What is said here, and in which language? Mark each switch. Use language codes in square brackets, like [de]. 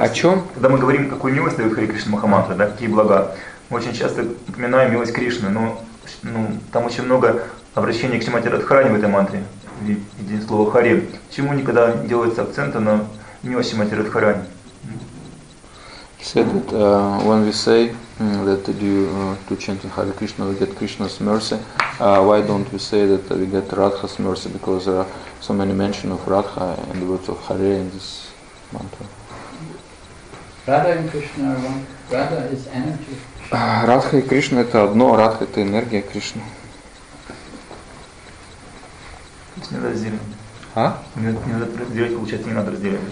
[ru] о чем? Когда мы говорим, какую милость дает Харе Кришна Махамантра, да, какие блага, мы очень часто упоминаем милость Кришны, но ну, там очень много обращений к Шримати Радхарани в этой мантре. Единственное слово Харе. Почему никогда не делается акцент на милости Шримати Радхарани? [en] He said that when we say that due to chanting Hare Krishna we get Krishna's mercy, why don't we say that we get Radha's mercy? Because there are so many mentions of Radha and the words of Hare in this mantra. Radha and Krishna are one. Radha is energy. [ru] Радха и Кришна это одно, Радха это энергия Кришны. Не надо разделять. А? Не надо разделять, получается, не надо разделять.